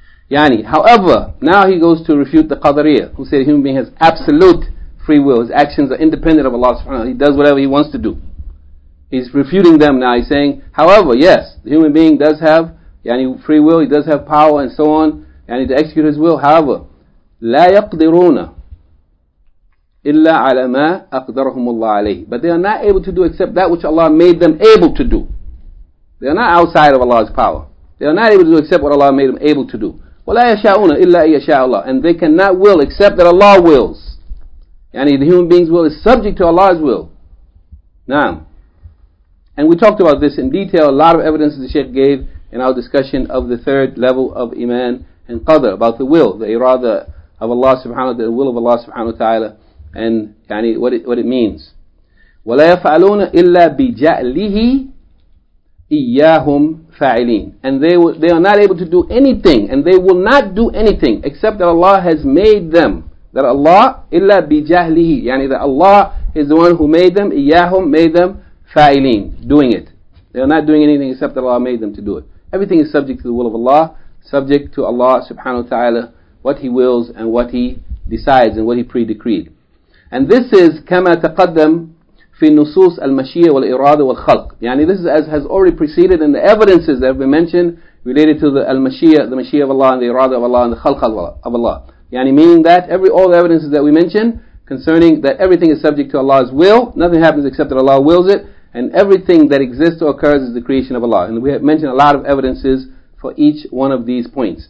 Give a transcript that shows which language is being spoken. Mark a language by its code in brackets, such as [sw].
[en] Yani, however, now he goes to refute the Qadariyah, who say the human being has absolute free will. His actions are independent of Allah subhanahu wa ta'ala. He does whatever he wants to do. He's refuting them now. He's saying, however, yes, the human being does have yani free will, he does have power and so on, and he to execute his will. However, [ar] لا يقدرون إلا على ما أقدرهم الله عليه. [en] But they are not able to do except that which Allah made them able to do. They are not outside of Allah's power. They are not able to do except what Allah made them able to do. [ar] ولا يشاءون إلا أن يشاء الله. [en] And they cannot will except that Allah wills. And the human being's will is subject to Allah's will. [ar] نعم. [en] And we talked about this in detail. A lot of evidence the Shaykh gave in our discussion of the third level of Iman and Qadr, about the will, the irada of Allah subhanahu wa ta'ala, the will of Allah subhanahu wa ta'ala, and yani what it means. [ar] وَلَا يَفْعَلُونَ إِلَّا بِجَعْلِهِ إِيَّاهُمْ فَاعِلِينَ. [en] And they are not able to do anything, and they will not do anything, except that Allah has made them. That Allah, [ar] إِلَّا بِجَعْلِهِ, [en] yani that Allah is the one who made them, [ar] إِيَّاهُمْ, [en] made them [ar] فَاعِلِينَ, [en] doing it. They are not doing anything except that Allah made them to do it. Everything is subject to the will of Allah, subject to Allah subhanahu wa ta'ala, what He wills and what He decides and what He pre-decreed. And this is [ar] كما تقدم في نصوص المشية والإرادة والخلق. [en] Yani this is as has already preceded in the evidences that have been mentioned related to the المشية, the مشية of Allah, and the إرادة of Allah, and the خلق of Allah. Yani meaning that all the evidences that we mentioned concerning that everything is subject to Allah's will, nothing happens except that Allah wills it, and everything that exists or occurs is the creation of Allah. And we have mentioned a lot of evidences for each one of these points.